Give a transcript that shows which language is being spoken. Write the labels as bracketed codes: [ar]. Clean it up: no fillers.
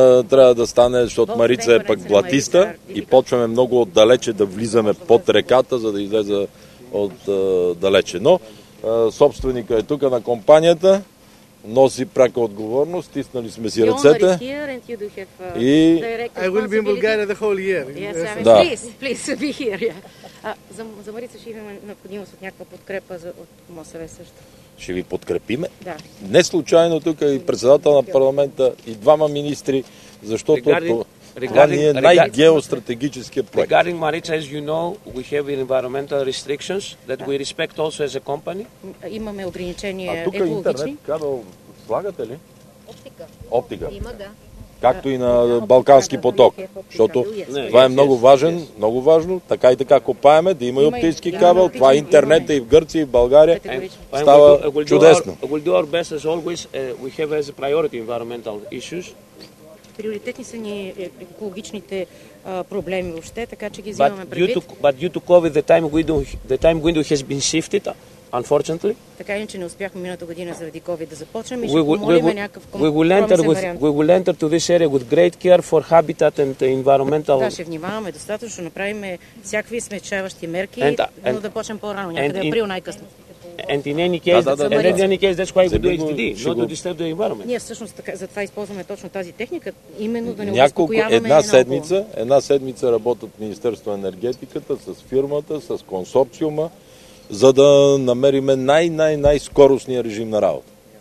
[bg] Трябва да стане, защото Марица е пък блатиста. И почваме много отдалече да влизаме под реката, за да излезе отдалече. Но собственика е тук на компанията. Носи пряка отговорност, стиснали сме си ръцете. И... [en] I will be in Bulgaria the whole year. Yes, I mean, please be here. Yeah. [bg] За Марица ще имаме необходимост от някаква подкрепа от МОСВ също. Ще ви подкрепиме? Да. Не случайно тук и председател на парламента, и двама министри, защото това ни е най-геостратегическия проект. [en] Regarding Marica, as you know, we have environmental restrictions that we respect also as a company. [bg] Имаме ограничения екологични. А тук интернет кабел слагате ли? Оптика. Има, да. Както и на Балкански поток, защото това е много важен, много важно, така и така копаеме, да има и оптически кабел, това интернет и в Гърция, и в България става чудесно. [en] We'll do our best as always, we have as a priority environmental issues. [bg] Приоритетни са ни екологичните проблеми въобще, така че ги взимаме предвид. [en] But due to COVID, the time window has been shifted. Unfortunately. [bg] Така и че не успяхме миналата година заради COVID да започнем и ще помолим някакъв компромисен вариант. [en] We will enter to this area with great care for habitat and environmental. [bg] Да, ще внимаваме достатъчно, направим всякакви смекчаващи мерки, но да почнем по-рано, някъде април най-късно. [en] And in any case, that's why we do it today, not to disturb the environment. [bg] Ние всъщност затова използваме точно тази техника, именно да не успокояваме една седмица. Една седмица работят Министерство на енергетиката с фирмата, с консорциума, за да намериме най скоростния режим на работа.